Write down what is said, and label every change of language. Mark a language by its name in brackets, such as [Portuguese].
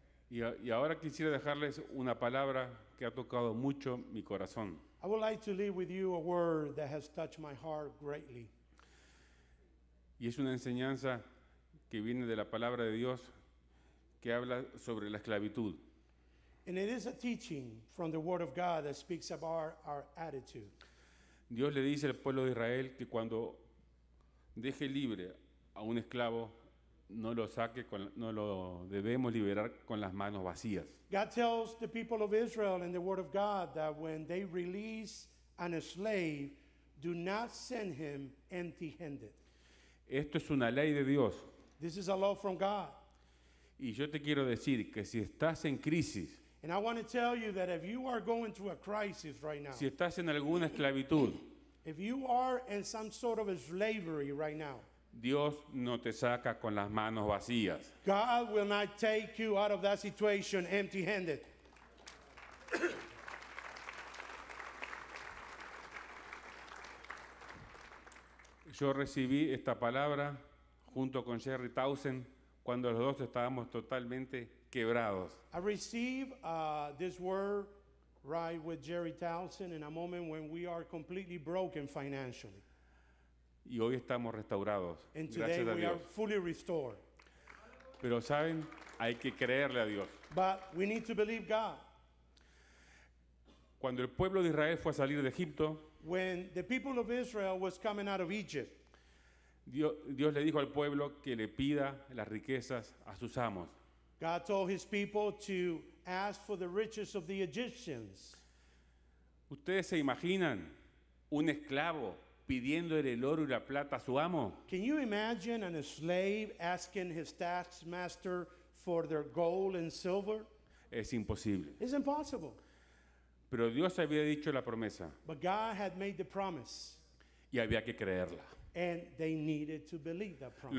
[Spanish] Y ahora quisiera dejarles una palabra que ha tocado mucho mi corazón. [English] I would like to leave with you a word that has touched my heart greatly. [Spanish] Y es una enseñanza que viene de la palabra de Dios, que habla sobre la esclavitud. [English] And it is a teaching from the word of God that speaks about our attitude. [Spanish] Dios le dice al pueblo de Israel que cuando deje libre a un esclavo, no lo debemos liberar con las manos vacías. [English] God tells the people of Israel in the word of God that when they release an slave, do not send him empty-handed. [Spanish] Esto es una ley de Dios. [English] This is a law from God. [Spanish] Y yo te quiero decir que si estás en crisis, [English] and I want to tell you that if you are going through a crisis right now, [Spanish] si estás en alguna esclavitud, [English] if you are in some sort of a slavery right now, [Spanish] Dios no te saca con las manos vacías. [English] God will not take you out of that situation empty-handed. [Spanish] Yo recibí esta palabra junto con Jerry Towson cuando los dos estábamos totalmente quebrados. [English] I received this word right with Jerry Towson in a moment when we are completely broken financially. [Spanish] Y hoy estamos restaurados. [English] And today we are fully restored. [Spanish] Pero saben, hay que creerle a Dios. [English] But we need to believe God. [Spanish] Cuando el pueblo de Israel fue a salir de Egipto, [English] when the people of Israel was coming out of Egypt, [Spanish] Dios le dijo al pueblo que le pida las riquezas a sus amos. [English] God told his people to ask for the riches of the Egyptians. [Spanish] ¿Ustedes se imaginan un esclavo pidiéndole el oro y la plata a su amo? [English] Can you imagine a slave asking his taskmaster for their gold and silver? [Spanish] Es imposible. [English] It's impossible. [Spanish] Pero Dios había dicho la promesa. [English] But God had made the promise. [Spanish] y había que creerla. [English] And they needed to believe that promise.